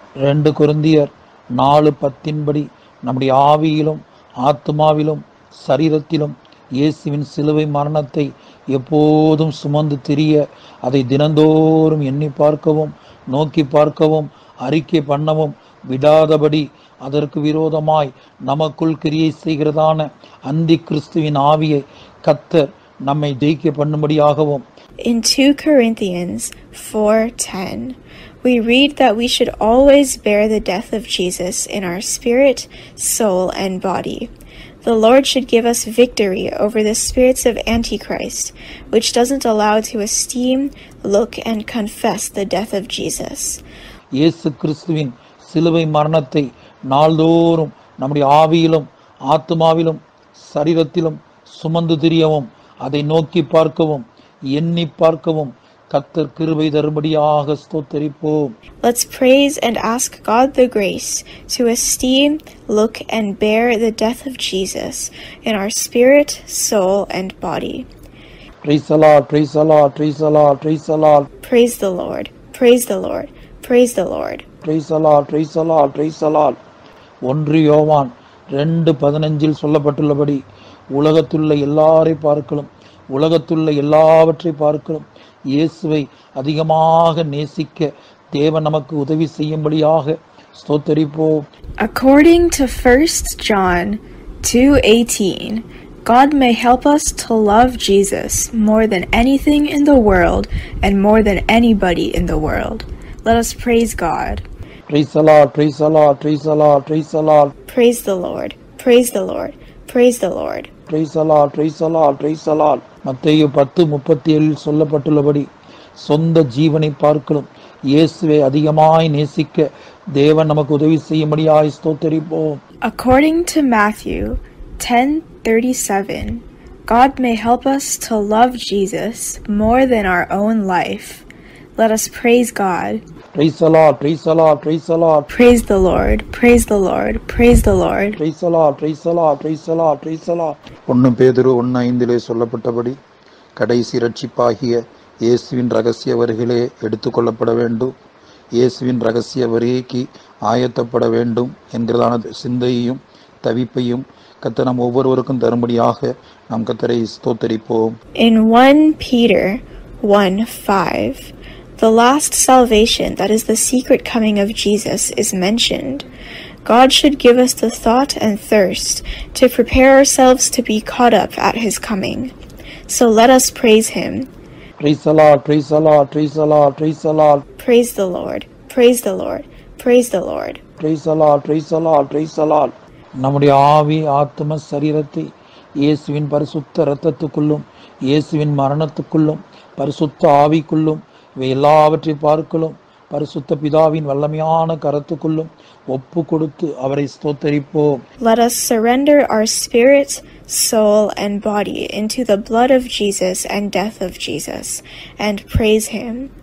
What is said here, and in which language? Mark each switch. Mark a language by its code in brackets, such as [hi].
[ta] 2 கொரிந்தியர் 4:10 நம்முடைய ஆவியிலும் ஆத்மாவிலும் சரீரத்திலும் இயேசுவின் சிலுவை மரணத்தை எப்போதும் சுமந்து திரிய அதை தினந்தோறும் எண்ணி பார்க்கவும் நோக்கி பார்க்கவும் அறிக்கை பண்ணவும் விடாதபடி அதற்கு விரோதமாய் நமக்குள் கிரியை செய்கிறதான அந்தி கிறிஸ்துவின் ஆவியை கர்த்தர் நம்மை ஜெயிக்க பண்ணும்படியாகவும் [en] In 2 Corinthians 4:10 we read that we should always bear the death of Jesus in our spirit, soul, and body. The Lord should give us victory over the spirits of Antichrist, which doesn't allow to esteem, look, and confess the death of Jesus. [ta] இயேசு கிறிஸ்துவின் சிலுவை மரணத்தை நாள்தோறும் நம்முடைய ஆவியிலும் ஆத்மாவிலும் சரீரத்திலும் சுமந்து திரியவும் அதை நோக்கி பார்க்கவும் எண்ணி பார்க்கவும் கர்த்தர் கிருபை தரும்படியாக ஸ்தோத்தரிப்போம். [en] Let's praise and ask God the grace to esteem, look and bear the death of Jesus in our spirit, soul and body. Praise the Lord, praise the Lord, praise the Lord, praise the Lord. Praise the Lord, praise the Lord, praise the Lord. Praise the Lord, praise the Lord, praise the Lord. [ta] 1 யோவான் 2:15 சொல்லப்பட்டுள்ளபடி உலகத்துள்ள எல்லாரை பார்க்கலாம் உலகத்துள்ள எல்லாவற்றை பார்க்கலாம் இயேசுவை அதிகமாக நேசிக்க தேவன் நமக்கு உதவி செய்யும்படியாக ஸ்தோத்தரிப்போம். [en] According to 1 John 2:18, God may help us to love Jesus more than anything in the world and more than anybody in the world. Let us praise God. Praise the Lord, praise the Lord, praise the Lord, praise the Lord. Praise the Lord, praise the Lord, praise the Lord. Praise the Lord, praise the Lord, praise the Lord. [ta] மத்தேயு 10:37 சொல்லப்பட்டுள்ளபடி சொந்த ஜீவனை பார்க்கலாம் இயேசுவை அதிகமாய் நேசிக்க தேவன் நமக்கு உதவி செய்யும்படியாய் ஸ்தோத்தரிப்போம். [en] According to Matthew 10:37, God may help us to love Jesus more than our own life. Let us praise God. Praise the Lord, praise the Lord, praise the Lord. Praise the Lord, praise the Lord, praise the Lord. Praise the Lord, praise the Lord, praise the Lord, praise the Lord. [ta] 1 பேதுரு 1:5 சொல்லப்பட்டபடி கடைசி இரட்சிப்பாகிய இயேசுவின் ரகசிய வரிகளே எடுத்துக்கொள்ளப்பட வேண்டும். இயேசுவின் ரகசிய வரிக்கு ஆயத்தப்பட வேண்டும் என்கிறதான சிந்தையும் தவிப்பையும் கர்த்தர் நம் ஒவ்வொருவருக்கும் தரும்படியாக நாம் கர்த்தரை ஸ்தோத்தரிப்போம். [en] In 1 Peter 1:5, the last salvation, that is the secret coming of Jesus, is mentioned. God should give us the thought and thirst to prepare ourselves to be caught up at His coming. So let us praise Him. Praise the Lord, praise the Lord, praise the Lord, praise the Lord. Praise the Lord, praise the Lord, praise the Lord. Praise the Lord, praise the Lord, praise the Lord. [ta] நம்முடைய ஆவி ஆத்தும சரீரத்தை இயேசுவின் பரிசுத்த இரத்தத்துக்குள்ளும் இயேசுவின் மரணத்துக்குள்ளும் பரிசுத்த ஆவிக்குள்ளும் இவை எல்லாவற்றை பார்க்கலும் பரிசுத்த பிதாவின் வல்லமையான கரத்துக்குள்ளும் ஒப்பு கொடுத்து அவரை ஸ்தோத்தரிப்போம். [en] Let us surrender our spirit, soul and body into the blood of Jesus and death of Jesus and praise him.